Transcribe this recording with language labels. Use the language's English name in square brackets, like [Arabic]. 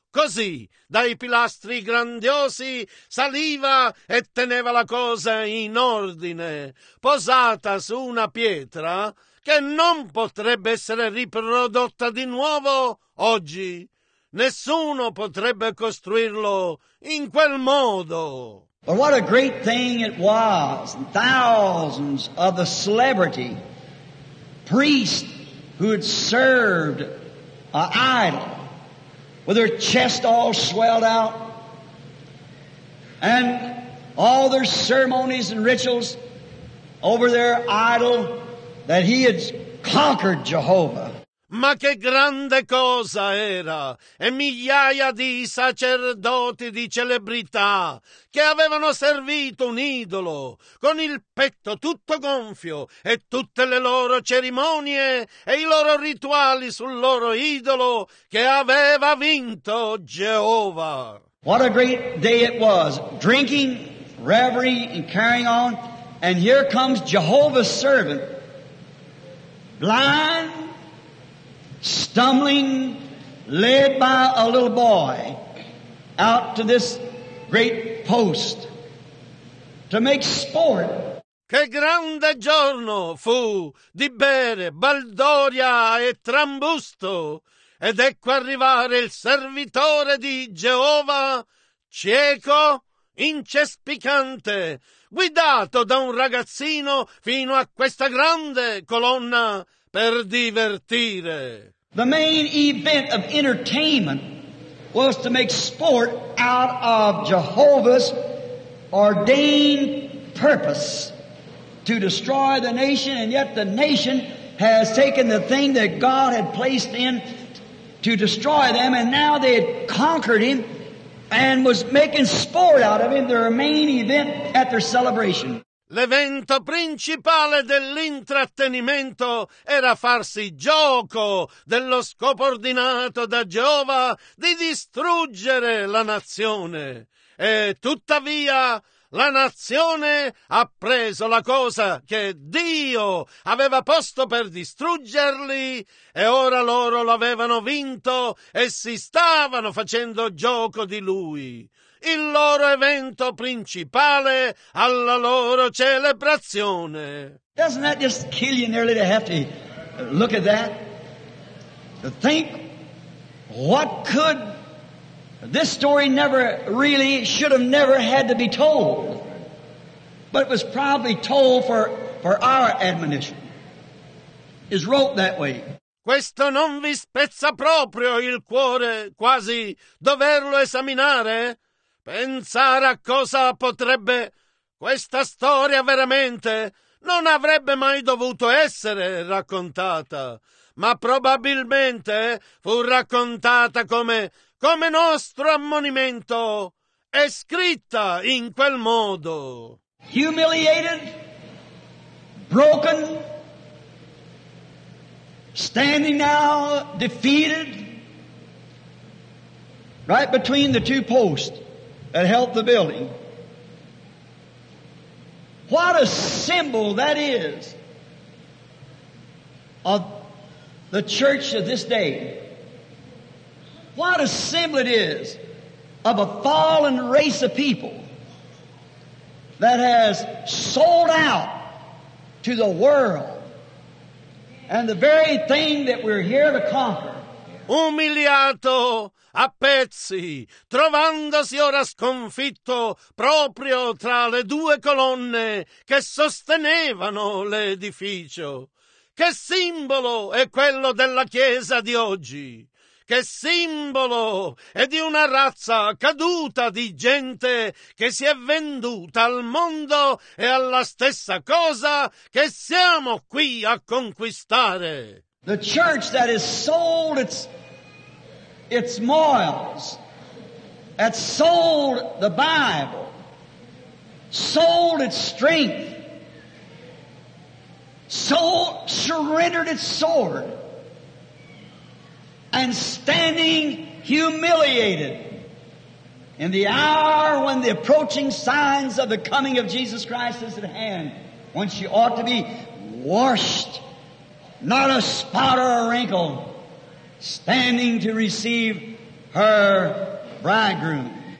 [Italian] Così, dai pilastri grandiosi, saliva e teneva la cosa in ordine, posata su una pietra che non potrebbe essere riprodotta di nuovo oggi. Nessuno potrebbe costruirlo in quel modo. [English] But what a great thing it was! Thousands of the celebrity priests who had served an idol, with their chest all swelled out, and all their ceremonies and rituals over their idol that he had conquered Jehovah. [Italian] Ma che grande cosa era! E migliaia di sacerdoti, di celebrità, che avevano servito un idolo, con il petto tutto gonfio, e tutte le loro cerimonie e i loro rituali sul loro idolo, che aveva vinto Geova. [English] What a great day it was! Drinking, reverie, and carrying on. And here comes Jehovah's servant, blind, stumbling, led by a little boy out to this great post to make sport. [Italian] Che grande giorno fu di bere baldoria e trambusto, ed ecco arrivare il servitore di Geova, cieco, incespicante, guidato da un ragazzino fino a questa grande colonna per divertire. [English] The main event of entertainment was to make sport out of Jehovah's ordained purpose to destroy the nation, and yet the nation has taken the thing that God had placed in to destroy them, and now they had conquered him and was making sport out of him, their main event at their celebration. [Italian] L'evento principale dell'intrattenimento era farsi gioco dello scopo ordinato da Geova di distruggere la nazione. E tuttavia la nazione ha preso la cosa che Dio aveva posto per distruggerli, e ora loro l'avevano vinto e si stavano facendo gioco di lui. Il loro evento principale alla loro celebrazione. [English] Doesn't that just kill you nearly to have to look at that? To think what could this story never really should have never had to be told. But it was probably told for our admonition. It's wrote that way. [Italian] Questo non vi spezza proprio il cuore quasi doverlo esaminare? Pensare a cosa potrebbe questa storia veramente non avrebbe mai dovuto essere raccontata, ma probabilmente fu raccontata come nostro ammonimento e scritta in quel modo. [English] Humiliated, broken, standing now defeated, right between the two posts that helped the building. What a symbol that is of the church of this day. What a symbol it is of a fallen race of people that has sold out to the world and the very thing that we're here to conquer. [Italian] umiliato a pezzi, trovandosi ora sconfitto proprio tra le due colonne che sostenevano l'edificio. Che simbolo è quello della Chiesa di oggi? Che simbolo è di una razza caduta di gente che si è venduta al mondo e alla stessa cosa che siamo qui a conquistare? [English] The church that has sold its morals, that sold the Bible, sold its strength, sold, surrendered its sword, and standing humiliated in the hour when the approaching signs of the coming of Jesus Christ is at hand, when she ought to be washed, not a spot or a wrinkle, standing to receive her bridegroom.